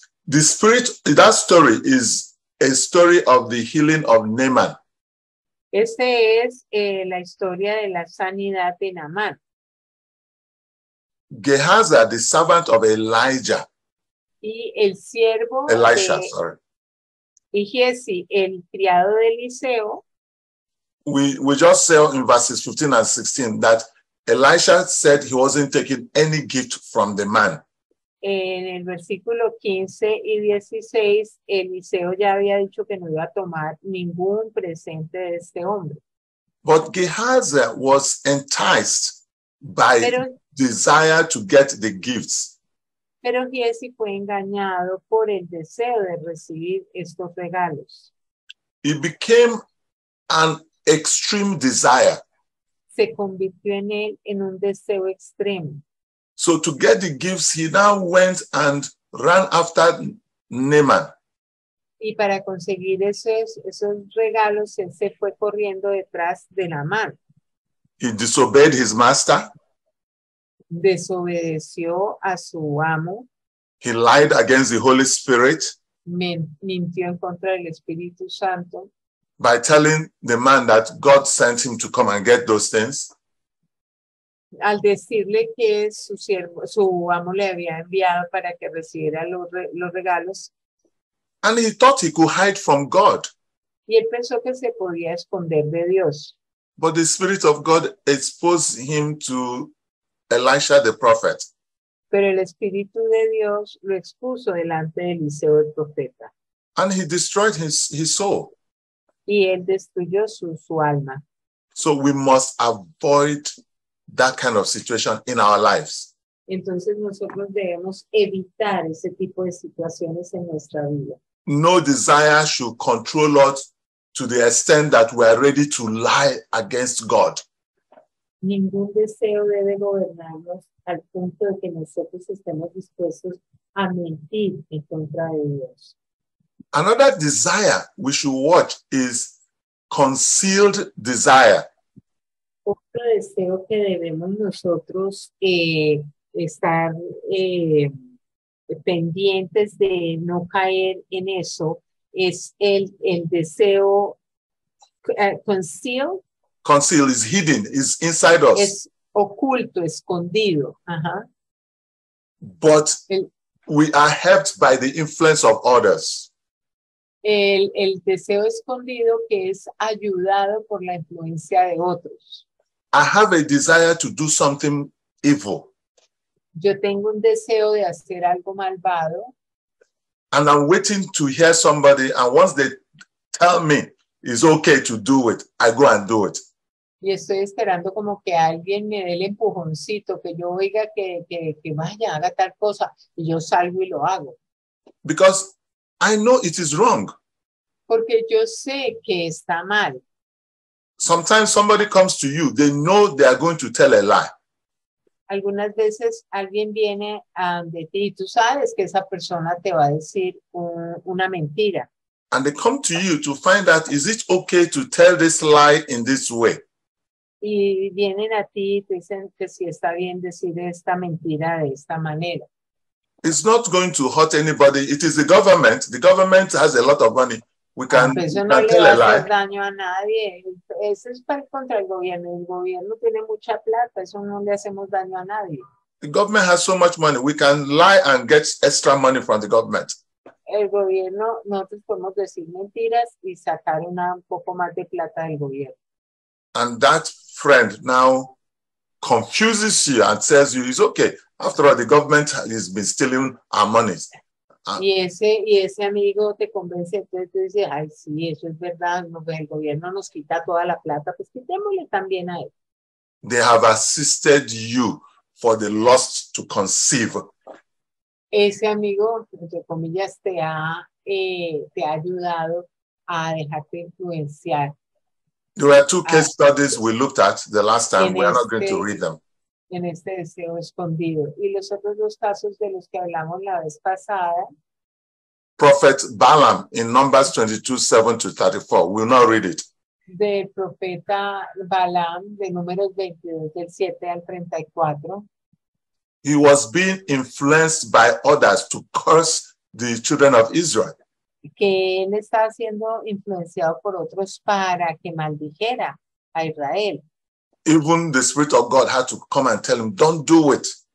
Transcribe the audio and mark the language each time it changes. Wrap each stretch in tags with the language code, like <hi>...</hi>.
<en>The spirit, that story is a story of the healing of Naaman.</en> <es>Este es la historia de la sanidad de Naaman.</es> <en>Gehazi, the servant of Elijah.</en> <es>Y el siervo Elisha, de,</es> <en>sorry.</en> <es>Y Gehazi, el criado de Eliseo.</es> <en>We just saw in verses 15 and 16 that Elisha said he wasn't taking any gift from the man.</en> <es>En el versículo 15 y 16, Eliseo ya había dicho que no iba a tomar ningún presente de este hombre.</es> <en>But Gehazi was enticed by desire to get the gifts.</en> <es>Pero Gehazi fue engañado por el deseo de recibir estos regalos.</es> <en>It became an extreme desire.</en> <es>Se convirtió en él en un deseo extremo.</es> <en>So to get the gifts, he now went and ran after Naaman.</en> <es>Y para conseguir esos regalos, él se fue corriendo detrás de Naaman.</es> <en>He disobeyed his master.</en> <es>desobedeció a su amo.</es> <en>He lied against the Holy Spirit.</en> <es>Mintió en contra del Espíritu Santo.</es> <en>By telling the man that God sent him to come and get those things.</en> <es>Al decirle que su siervo, su amo le había enviado para que recibiera los regalos.</es> <en>And he thought he could hide from God.</en> <es>Y él pensó que se podía esconder de Dios.</es> <en>But the Spirit of God exposed him to Elisha the prophet.</en> <es>Pero el Espíritu de Dios lo expuso delante de Eliseo el profeta.</es> <en>And he destroyed his soul.</en> <es>Y él destruyó su alma.</es> <en>So we must avoid that kind of situation in our lives.</en> <es>Entonces nosotros debemos evitar ese tipo de situaciones en nuestra vida.</es> <en>No desire should control us to the extent that we are ready to lie against God.</en> <es>Ningún deseo debe gobernarnos al punto de que nosotros estemos dispuestos a mentir en contra de Dios.</es> <en>Another desire we should watch is concealed desire.</en> <es>Otro deseo que debemos nosotros estar pendientes de no caer en eso es el deseo concealed.</es> <en>Conceal is hidden, is inside us.</en> <es>Es oculto, escondido.</es> <en>But we are helped by the influence of others.</en> <es>El deseo escondido que es ayudado por la influencia de otros.</es> <en>I have a desire to do something evil.</en> <es>Yo tengo un deseo de hacer algo malvado.</es> <en>And I'm waiting to hear somebody, and once they tell me it's okay to do it, I go and do it.</en> <es>Y estoy esperando como que alguien me dé el empujoncito, que yo oiga que vaya, haga tal cosa, y yo salgo y lo hago.</es> <en>Because I know it is wrong.</en> <es>Porque yo sé que está mal.</es> <en>Sometimes somebody comes to you, they know they are going to tell a lie.</en> <es>Algunas veces alguien viene de ti y tú sabes que esa persona te va a decir una mentira.</es> <en>And they come to you to find out, is it okay to tell this lie in this way?</en> <es>Y vienen a ti y te dicen que si está bien decir esta mentira de esta manera.</es> <en>It's not going to hurt anybody. It is the government. The government has a lot of money. We can tell a lie.</en> <es>No le va a hacer daño a nadie. Eso es para contra el gobierno. El gobierno tiene mucha plata. Eso no le hacemos daño a nadie.</es> <en>The government has so much money. We can lie and get extra money from the government.</en> <es>El gobierno, nosotros podemos decir mentiras y sacar un poco más de plata del gobierno.</es> <en>And that friend now confuses you and says you, it's okay. After all, the government has been stealing our monies.</en> <es>Y ese amigo te convence, entonces dice, ay, sí, eso es verdad, el gobierno nos quita toda la plata, pues quitémosle también a él.</es> <en>They have assisted you for the lust to conceive.</en> <es>Ese amigo, entre comillas, te ha ayudado a dejarte influenciar.</es> <en>There are two case studies we looked at the last time. We are not going to read them.</en> <es>En este deseo escondido. Y los otros dos casos de los que hablamos la vez pasada.</es> <en>Prophet Balaam in Numbers 22:7-34. We will not read it.</en> <es>Del profeta Balaam de Números 22, del 7 al 34.</es> <en>He was being influenced by others to curse the children of Israel.</en> <es>Que él estaba siendo influenciado por otros para que maldijera a Israel.</es> <en>Even the Spirit of God had to come and tell him, don't do it.</en>